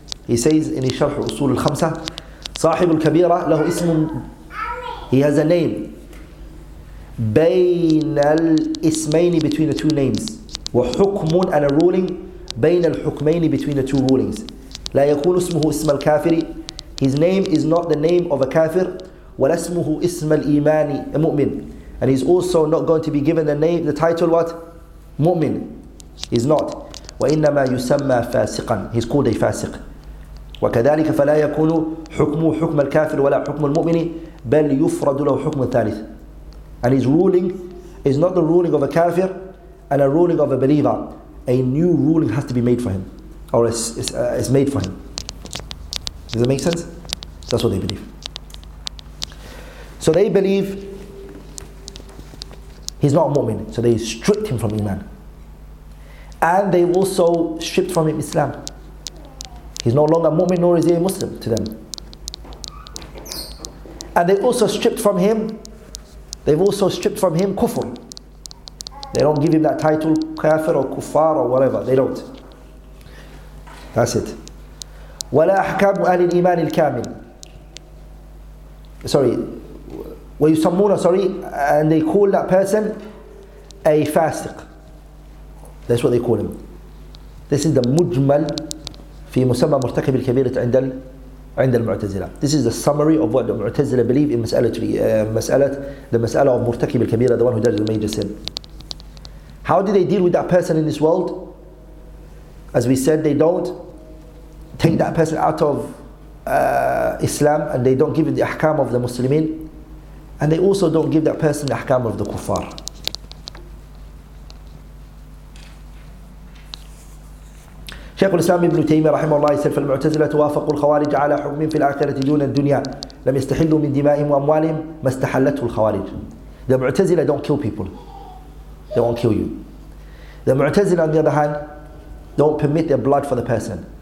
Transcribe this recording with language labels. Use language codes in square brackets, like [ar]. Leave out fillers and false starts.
[en] He says in his sharh usul al-khamsa, [ar] صاحب الكبيرة له اسم. [en] He has a name. [ar] بين الاسمين, [en] between the two names. [ar] وحكم, [en] and a ruling. [ar] بين الحكمين, [en] between the two rulings. [ar] لا يكون اسمه اسم الكافر. [en] His name is not the name of a kafir. [ar] ولا اسمه اسم الإيمان, a mu'min. [en] And he's also not going to be given the name, the title what? Mu'min. He's not. [ar] وإنما يسمى فاسقا. [en] He's called a fasiq. [ar] وكذلك فلا يكون حكمه حكم الكافر ولا حكم المؤمن بل يفرد له حكم ثالث. [en] And his ruling is not the ruling of a kafir and a ruling of a believer. A new ruling has to be made for him, or is made for him. Does that make sense? That's what they believe. So they believe he's not a mu'min, so they stripped him from iman, and they also stripped from him Islam. He's no longer a mu'min, nor is he a Muslim to them. And they also stripped from him, they've also stripped from him kufr. They don't give him that title, kafir or kuffar or whatever. They don't. That's it. [ar] وَلَا أَحْكَامُ أَهْلِ الْإِيمَانِ الْكَامِلِ. [en] Sorry. [ar] وَيُسَمُّونَ, [en] sorry. And they call that person a fasiq. That's what they call him. This is the mujmal. [ar] في مسمى مرتكب الكبيرة عند المعتزلة. [en] This is the summary of what the Mu'tazila believe in مسألة of مرتكب الكبيرة, the one who does the major sin. How do they deal with that person in this world? As we said, they don't take that person out of Islam, and they don't give him the ahkam of the Muslimin, and they also don't give that person the ahkam of the kuffar. [ar] شيخ الإسلام ابن تيمية رحمه الله يسأل فالمعتزلة توافق الخوارج على حكم في الآخرة دون الدنيا لم يستحلوا من دمائهم وأموالهم ما استحلته الخوارج. [en] The معتزلة don't kill people. They won't kill you. The معتزلة on the other hand don't permit their blood for the person.